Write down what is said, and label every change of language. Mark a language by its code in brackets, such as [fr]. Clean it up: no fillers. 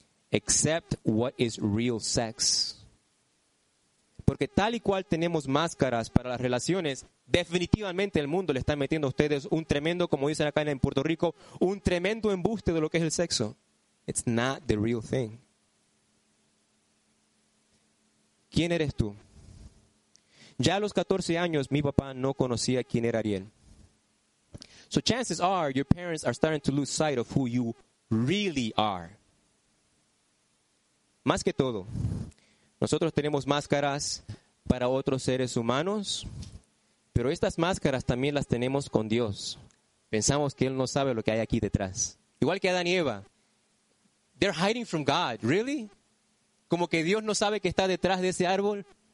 [en] Except what is real sex. [es] Porque tal y cual tenemos máscaras para las relaciones, definitivamente el mundo le está metiendo a ustedes un tremendo, como dicen acá en Puerto Rico, un tremendo embuste de lo que es el sexo. [en] It's not the real thing. [es] ¿Quién eres tú? Ya a los 14 años, mi papá no conocía quién era Ariel. [en] So chances are, your parents are starting to lose sight of who you really are. [es] Más que todo, nosotros tenemos máscaras para otros seres humanos, pero estas máscaras también las tenemos con Dios. Pensamos que Él no sabe lo que hay aquí detrás. Igual que Adán y Eva. [en] They're hiding from God. Really? [es] ¿Como que Dios no sabe que está detrás de ese árbol?